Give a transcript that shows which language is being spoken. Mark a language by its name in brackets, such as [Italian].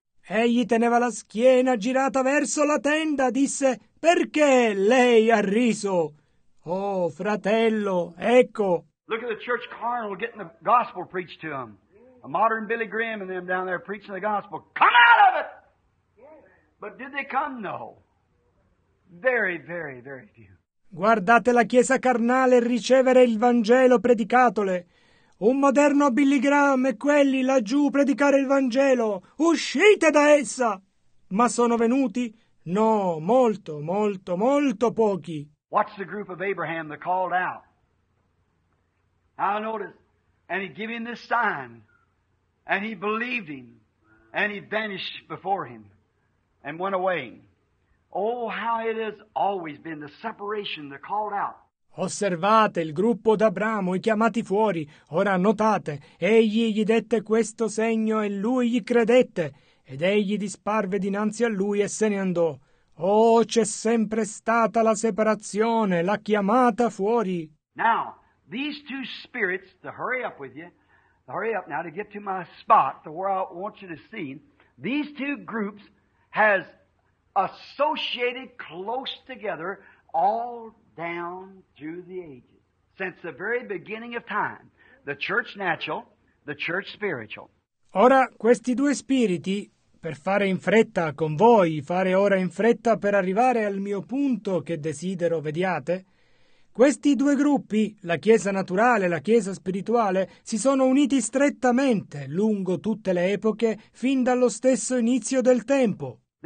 [Italian] Egli teneva la schiena girata verso la tenda, disse, perché lei ha riso? Oh, fratello, ecco. [English] Look at the church carnal getting the gospel preached to them. A modern Billy Graham and them down there preaching the gospel. Come out of it! But did they come? No. Very, very, very few. [Italian] Guardate la chiesa carnale ricevere il Vangelo predicatole. Un moderno Billy Graham e quelli laggiù predicare il Vangelo. Uscite da essa! Ma sono venuti? No, molto, molto, molto pochi. [English] Watch the group of Abraham that called out. I noticed. And he gave him this sign. And he believed him. And he vanished before him. And went away. Oh, how it has always been the separation that called out. [Italian] Osservate il gruppo d'Abramo, i chiamati fuori. Ora notate, egli gli dette questo segno e lui gli credette, ed egli disparve dinanzi a lui e se ne andò. Oh, c'è sempre stata la separazione, la chiamata fuori. [English] Now, these two spirits, to hurry up with you, to hurry up now to get to my spot, to where I want you to see, these two groups has associated close together all down through the ages, since the very beginning of time, the church natural, the church spiritual. [Italian] Ora, questi due spiriti, per fare in fretta con voi, fare ora in fretta per arrivare al mio punto che desidero vediate, questi due gruppi, la Chiesa naturale e la Chiesa spirituale, si sono uniti strettamente lungo tutte le epoche, fin dallo stesso inizio del tempo.